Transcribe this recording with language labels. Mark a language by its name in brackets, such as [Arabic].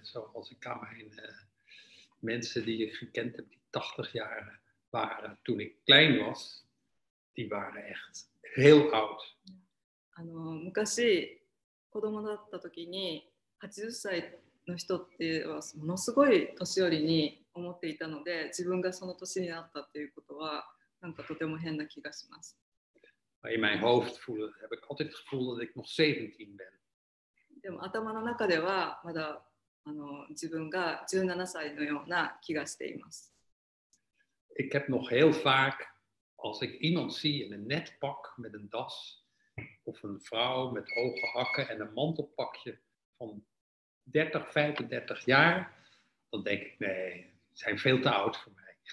[Dutch] Zoals ik aan mijn mensen die ik gekend heb, die 80 jaar waren toen ik klein was, die waren echt heel oud. Ja. [Japanese] Mukashi, 子供だった時に80歳の人ってはものすごい年寄りに思っていたので、自分がその年になったということはなんかとても変な気がします。 [Dutch] In my hoofd heb ik altijd gevoeld dat ik nog 17 ben. [Japanese] でも頭の中ではまだ自分が17歳のような気がしています。 [Dutch] Ik heb nog heel vaak als ik iemand zie in een net pak met een das of een vrouw met hoge hakken en een mantelpakje van 30, 35 jaar, dan denk ik, nee, zijn veel te oud voor mij.